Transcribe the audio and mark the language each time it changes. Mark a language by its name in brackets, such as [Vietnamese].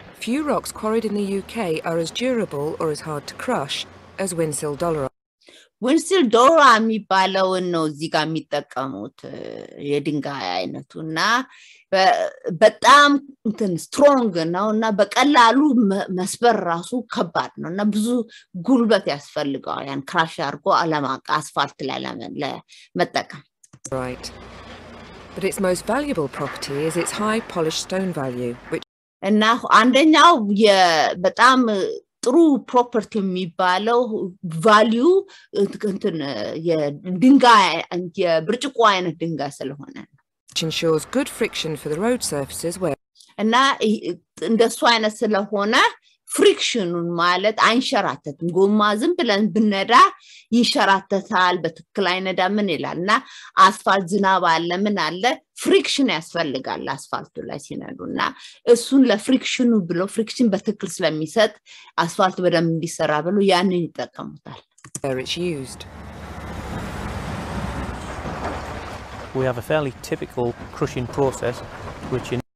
[English] Few rocks quarried in the UK are as durable or as hard to crush as Winsil Dollarama. [Amharic] Winsil Dollarama የሚባለው ነው እዚህ ጋር የሚጠቀሙት የድንጋይ አይነቱና በጣም እንትን ስትሮንግ ነውና በቀላሉ መስበር ራሱ ከባድ ነውና ብዙ ጉልበት ያስፈልጋል ያን ክራሽ አርጎ አለማቀ አስፋልት ላይ ለመጠቀም [English] right but its most valuable property is its high polished stone value which [Amharic] እና አንደኛው በጣም ጥሩ ፕሮፐርቲ የሚባለው ቫልዩ እንትን የድንጋይ የብርጭቆ አይነት ድንጋይ ስለሆነ [English] ensures good friction for the road surfaces where [Amharic] እና እንደሱ አይነት ስለሆነ ፍሪክሽኑን ማለት አንሸራተትም ጎማ ዝም ብለን ብነዳ ይሸራተታል በትክክል አይነዳ ምን ይላልና አስፋልት ዝናብ አለ ምን አለ ፍሪክሽን ያስፈልጋል አስፋልቱ ላይ ሲነዱና እሱን ለፍሪክሽኑ ብሎ ፍሪክሽን በትክክል ስለሚሰጥ አስፋልት በደንብ እንዲሰራ ብሎ ያንን ይጠቀሙታል [English] We have a fairly typical crushing process which in